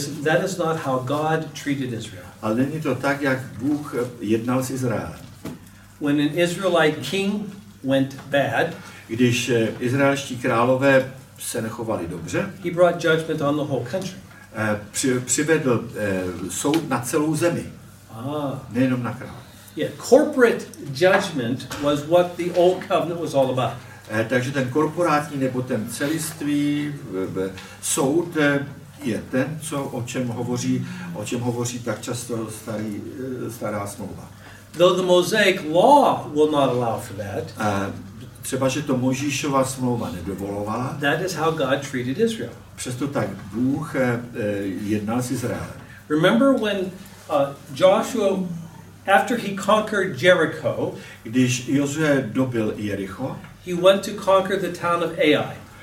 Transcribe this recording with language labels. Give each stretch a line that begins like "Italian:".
English: That is not how God treated Israel.
Czech: Ale není to tak, jak Bůh jednal s Izraelem.
English: When an Israelite king went bad,
Czech: když izraelští králové se nechovali dobře,
English: he brought judgment on the whole country.
Czech: Přivedl soud na celou zemi. Nejenom na krále.
English: Yeah, corporate judgment was what the old covenant was all about.
Czech: Takže ten korporátní nebo ten celiství soud je ten, co o čem hovoří tak často stará smlouva.
English: Though the Mosaic law will not allow for that.
Czech: Třeba že to Mojžíšova smlouva nedovolovala.
English: That is how God treated Israel.
Czech: Přesto tak Bůh jednal s Izraelem.
English: Remember when Joshua, after he conquered Jericho,
Czech: když Josué dobil Jericho,
English: he went to conquer the town of Ai.